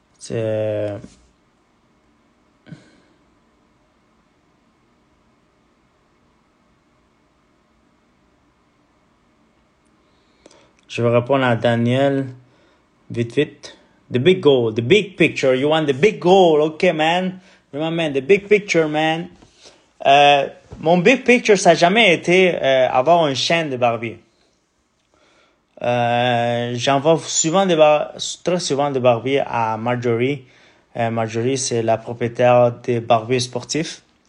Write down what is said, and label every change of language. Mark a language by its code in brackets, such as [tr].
[fr] Je vais répondre à Daniel vite vite. [en] The big goal, the big picture. You want the big goal, okay, man. Remember, the big picture, man. [fr] Mon big picture, ça n'a jamais été avoir une chaîne de barbier. J'en vois souvent très souvent des barbiers à Marjorie. Marjorie, c'est la propriétaire des barbiers sportifs.